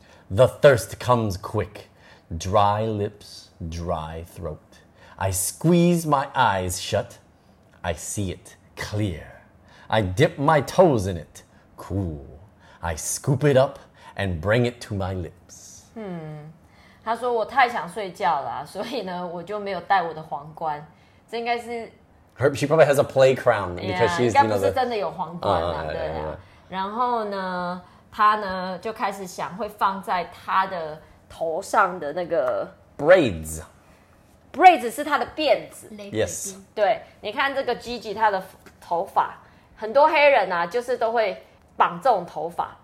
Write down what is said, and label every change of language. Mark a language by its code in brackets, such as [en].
[en] The thirst comes quick. Dry lips, dry throat. I squeeze my eyes shut. I see it clear. I dip my toes in it. Cool. I scoop it up and bring it to my lips. [zh] Hmm. 他说我太想睡觉了，所以呢，我就没有戴我的皇冠。这应该是 [en] Her, she probably has a play crown because [zh] 应该不是真的有皇冠啊， yeah. 然后呢，他呢就开始想会放在他的头上的那个 [en] braids。 [zh] Braids 是他的辫子。 [en] Yes. [zh] 对，你看这个 Gigi 他的头发，很多黑人啊，就是都会绑这种头发，